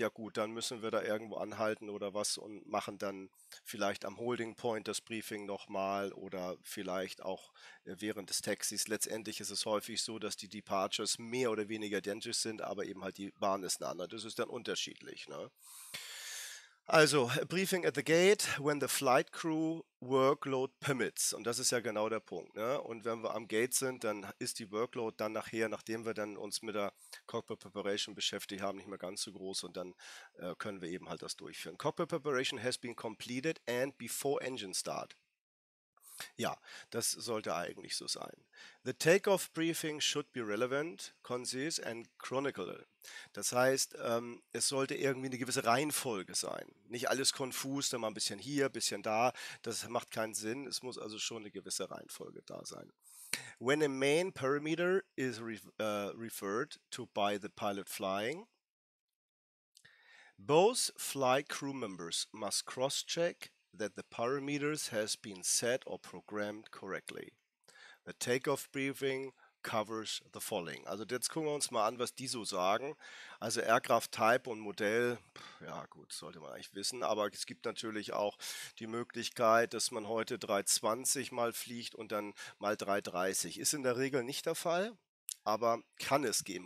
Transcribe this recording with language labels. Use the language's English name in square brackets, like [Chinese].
[German] Ja gut, dann müssen wir da irgendwo anhalten oder was und machen dann vielleicht am Holding Point das Briefing nochmal oder vielleicht auch während des Taxis. Letztendlich ist es häufig so, dass die Departures mehr oder weniger identisch sind, aber eben halt die Bahn ist eine andere. Das ist dann unterschiedlich, ne? [English] Also, a briefing at the gate, when the flight crew workload permits. [German] Und das ist ja genau der Punkt. Ne? Und wenn wir am Gate sind, dann ist die Workload dann nachher, nachdem wir dann uns mit der Cockpit Preparation beschäftigt haben, nicht mehr ganz so groß. Und dann können wir eben halt das durchführen. [English] Cockpit Preparation has been completed and before engine start. [German] Ja, das sollte eigentlich so sein. [English] The takeoff briefing should be relevant, concise and chronicle. [German] Das heißt, es sollte irgendwie eine gewisse Reihenfolge sein. Nicht alles konfus, dann mal ein bisschen hier, ein bisschen da. Das macht keinen Sinn. Es muss also schon eine gewisse Reihenfolge da sein. [English] When a main parameter is referred to by the pilot flying, both flight crew members must cross-check that the parameters has been set or programmed correctly. The takeoff briefing covers the following. [German] Also jetzt gucken wir uns mal an, was die so sagen. Also Aircraft Type und Modell, ja gut, sollte man eigentlich wissen, aber es gibt natürlich auch die Möglichkeit, dass man heute 320 mal fliegt und dann mal 330. Ist in der Regel nicht der Fall, aber kann es geben.